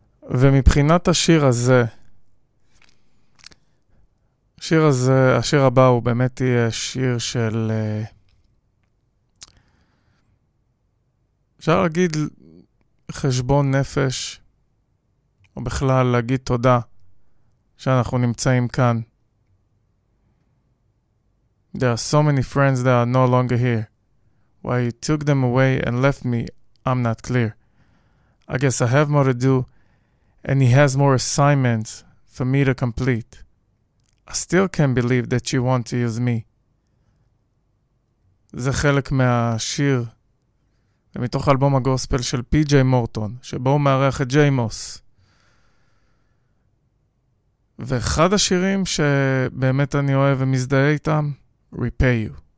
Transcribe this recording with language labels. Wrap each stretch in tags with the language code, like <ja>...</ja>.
<he>ומבחינת השיר הזה, השיר הזה, השיר הבא הוא באמת יהיה שיר של, אפשר להגיד חשבון נפש, או בכלל להגיד תודה שאנחנו נמצאים כאן.</he> <en>There are so many friends that are no longer here. Why you took them away and left me, I'm not clear. I guess I have more to do, and he has more assignments for me to complete. I still can't believe that you want to use me.</en> <he>זה חלק מהשיר ומתוך אלבום הגוספל של פי ג'יי מורטון, שבו הוא מערך את ג'יי מוס. ואחד השירים שבאמת אני אוהב ומזדהה איתם, Repay You.</he>